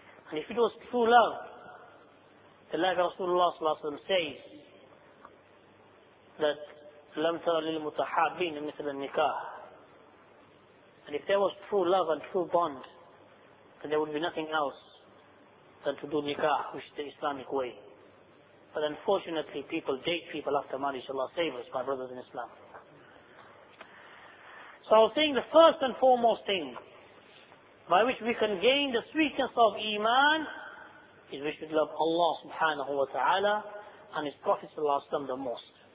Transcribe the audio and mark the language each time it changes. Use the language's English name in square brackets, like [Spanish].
[English] And if it was true love, then like Rasulullah says, that [Arabic] لم تر للمتحابين مثل النكاح. [English] And if there was true love and true bond, then there would be nothing else than to do nikah, which is the Islamic way. But unfortunately, people date people after marriage. Allah save us, my brothers in Islam. So I was saying the first and foremost thing by which we can gain the sweetness of Iman is we should love Allah subhanahu wa ta'ala and His Prophet sallallahu alayhi wa sallam the most.